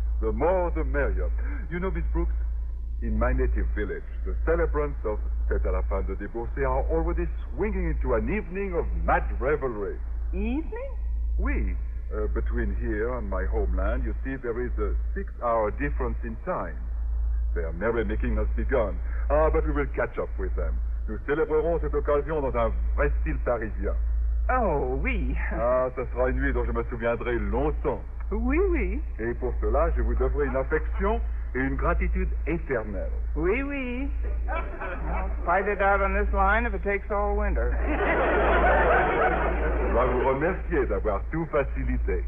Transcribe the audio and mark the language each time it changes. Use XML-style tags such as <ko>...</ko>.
<en>The more, the merrier. You know, Miss Brooks, in my native village, the celebrants of</en> <fr>Fête à la fin de divorce</fr> <en>are already swinging into an evening of mad revelry. Evening?</en> <fr>Oui.</fr> <en>Between here and my homeland, you see, there is a six-hour difference in time. Their merrymaking has begun. Ah, but we will catch up with them.</en> <fr>Nous célébrerons cette occasion dans un vrai style parisien. Oh, oui. Ah, ça sera une nuit dont je me souviendrai longtemps. Oui, oui. Et pour cela, je vous devrai une affection et une gratitude éternelle. Oui, oui.</fr> <en>I'll fight it out on this line if it takes all winter.</en> <fr>Je dois vous remercier d'avoir tout facilité.</fr>